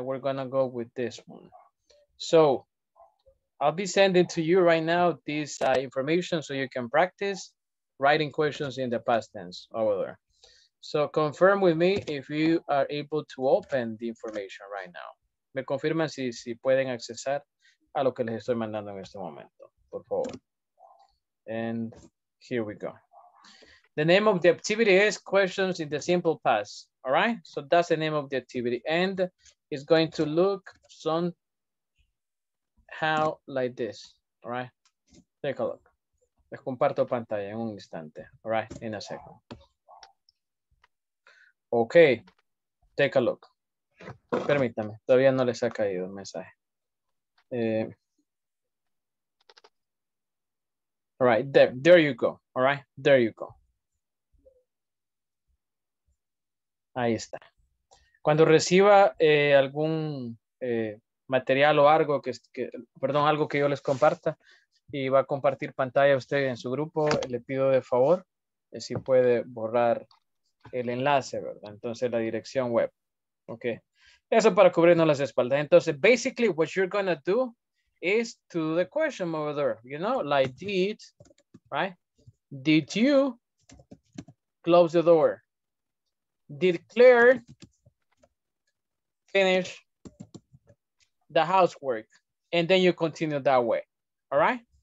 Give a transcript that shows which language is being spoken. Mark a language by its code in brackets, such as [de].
[en] We're gonna go with this one. So I'll be sending to you right now this information so you can practice writing questions in the past tense over there. So confirm with me if you are able to open the information right now. [es] Me confirman si pueden accesar a lo que les estoy mandando en este momento, por favor. [en] And here we go. The name of the activity is questions in the simple past. All right, so that's the name of the activity. And it's going to look somehow like this, all right? Take a look. [es] Les comparto pantalla en un instante, [en] all right? In a second. Okay, take a look. [es] Permítame, todavía no les ha caído el mensaje. [en] All right, there you go, all right? There you go. [es] Ahí está. Cuando reciba algún... material o algo algo que yo les comparta y va a compartir pantalla a usted en su grupo, le pido de favor si puede borrar el enlace, ¿verdad? Entonces la dirección web. Ok. Eso para cubrirnos las espaldas. Entonces, [en] basically what you're going to do is to do the question over there, you know, like did, right? Did you close the door? Did Claire finish the housework, and then you continue that way, all right?